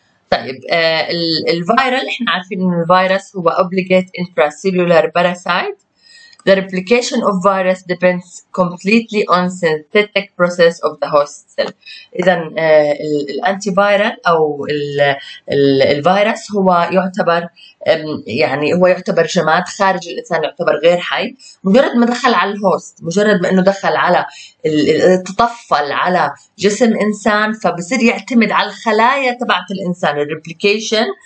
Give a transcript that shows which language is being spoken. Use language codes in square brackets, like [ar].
[ar] طيب الفايرال، احنا عارفين ان الفيروس هو [en] Obligate intracellular parasite. The replication of virus depends completely on synthetic process of the host cell. [ar] إذا الانتيفيرال أو الفيروس هو يعتبر يعني هو يعتبر جماد خارج الإنسان، يعتبر غير حي. مجرد ما دخل على الهوست، مجرد ما إنه دخل على تطفل على جسم إنسان، فبصير يعتمد على الخلايا تبعت الإنسان. [en] The replication